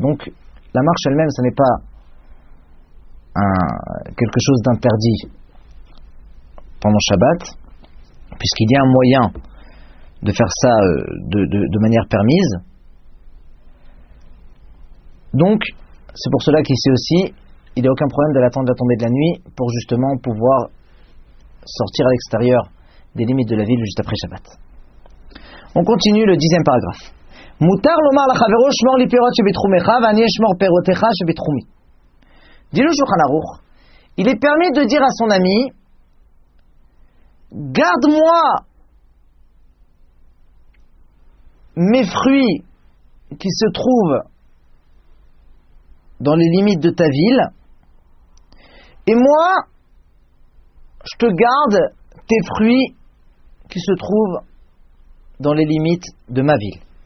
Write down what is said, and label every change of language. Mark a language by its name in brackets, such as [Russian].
[French] Donc, la marche elle-même, ce n'est pas quelque chose d'interdit pendant Shabbat, puisqu'il y a un moyen de faire ça de manière permise. Donc, c'est pour cela qu'ici aussi, il n'y a aucun problème d'aller attendre la tombée de la nuit pour justement pouvoir sortir à l'extérieur des limites de la ville juste après Shabbat. On continue le 10e paragraphe. [Hebrew] מותר לומר לחברו שמור לי פירות שבתחומך ואני אשמור פירותיך שבתחומי. [French] Dit le Shulchan Aruch, il est permis de dire à son ami, garde-moi mes fruits qui se trouvent dans les limites de ta ville, et moi, je te garde tes fruits qui se trouvent dans les limites de ma ville.